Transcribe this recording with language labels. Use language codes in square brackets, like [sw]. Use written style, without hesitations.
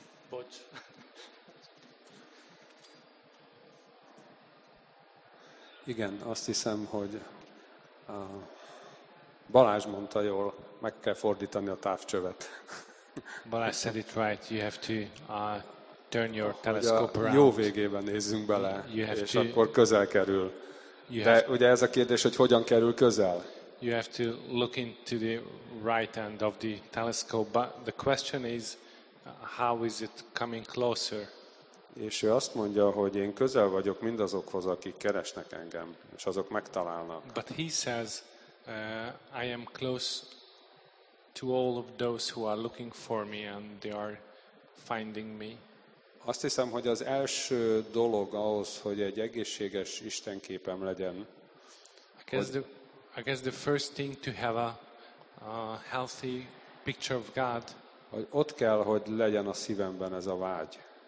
[hu] Bocs. Igen, azt hiszem, hogy Balázs mondta jól, meg kell fordítani a távcsövet. [en] Balázs said it right, you have to turn your telescope around. [hu] Jó végében nézzünk bele, és akkor közel kerül. De ugye ez a kérdés, hogy hogyan kerül közel? [en] You have to look into the right end of the telescope, but the question is, how is it coming closer? [hu] És ő azt mondja, hogy én közel vagyok mindazokhoz, akik keresnek engem, és azok megtalálnak. [en] But he says, I am close to all of those who are looking for me, and they are finding me. [hu] Azt hiszem, hogy az első dolog ahhoz, hogy egy egészséges istenképem legyen. [en] I guess the first thing to have a healthy picture of God. [hu] Hogy ott kell, hogy legyen a szívemben ez a vágy.